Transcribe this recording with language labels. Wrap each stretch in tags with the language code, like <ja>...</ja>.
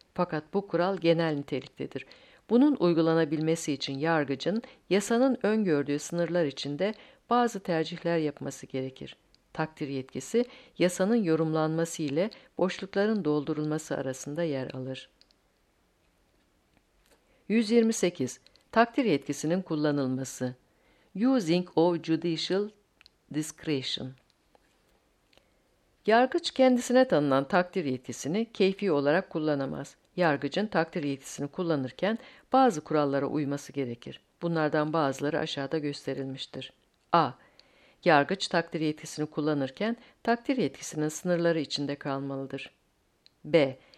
<tr>Fakat bu kural genel niteliktedir. Bunun uygulanabilmesi için yargıcın yasanın öngördüğü sınırlar içinde bazı tercihler yapması gerekir. Takdir yetkisi yasanın yorumlanması ile boşlukların doldurulması arasında yer alır. 128. Takdir yetkisinin kullanılması.</tr> <en>Using of judicial discretion.</en> <tr>Yargıç kendisine tanınan takdir yetkisini keyfi olarak kullanamaz. Yargıcın takdir yetkisini kullanırken bazı kurallara uyması gerekir. Bunlardan bazıları aşağıda gösterilmiştir. A. Yargıç takdir yetkisini kullanırken takdir yetkisinin sınırları içinde kalmalıdır. B.</tr>